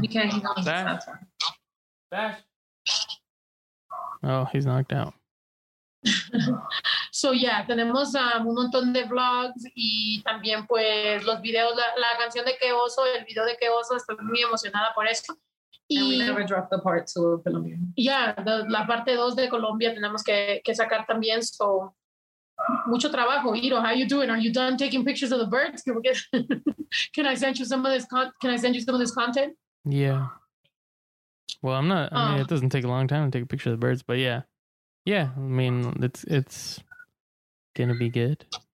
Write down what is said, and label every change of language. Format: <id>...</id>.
<en>We can't hang on. Bash. Oh, he's knocked out. So yeah,</en> <es>tenemos un montón de vlogs y también pues los videos, la canción de Que Oso, el video de Que Oso, estoy muy emocionada por eso.</es> <en>Y we never dropped the part 2 of Colombia.</en> <es>Yeah, la parte 2 de Colombia tenemos que sacar también, so Mucho trabajo, Iro.</es> <en>How you doing? Are you done taking pictures of the birds? Can, we get, can I send you some of this? Can I send you some of this content? Yeah. Well, I'm not. I mean, it doesn't take a long time to take a picture of the birds, but yeah, yeah. I mean, it's gonna be good.</en>